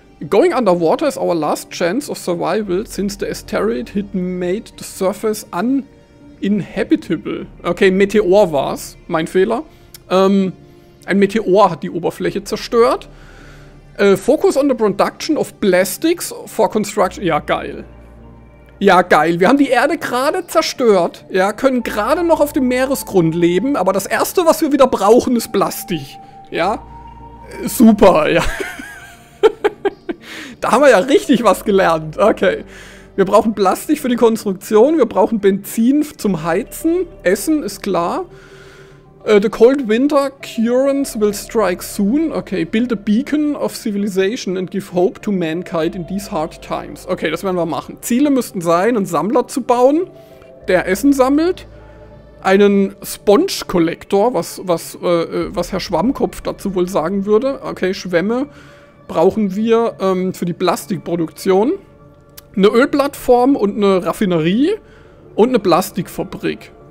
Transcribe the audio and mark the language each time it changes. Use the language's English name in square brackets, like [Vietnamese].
[English] Going underwater is our last chance of survival since the asteroid hit made the surface uninhabitable. [German] Okay, Meteor war's, mein Fehler. Ein Meteor hat die Oberfläche zerstört. [English] Focus on the production of plastics for construction. [German] Ja, geil. Ja, geil. Wir haben die Erde gerade zerstört. Ja, können gerade noch auf dem Meeresgrund leben. Aber das Erste, was wir wieder brauchen, ist Plastik. Ja? Super, ja. Da haben wir ja richtig was gelernt. Okay. Wir brauchen Plastik für die Konstruktion. Wir brauchen Benzin zum Heizen. Essen ist klar. [English] The cold winter currents will strike soon. Okay, build a beacon of civilization and give hope to mankind in these hard times. [German] Okay, das werden wir machen. Ziele müssten sein, einen Sammler zu bauen, der Essen sammelt. Einen Sponge Collector, was Herr Schwammkopf dazu wohl sagen würde. Okay, Schwämme. brauchen wir für die Plastikproduktion eine Ölplattform und eine Raffinerie und eine Plastikfabrik.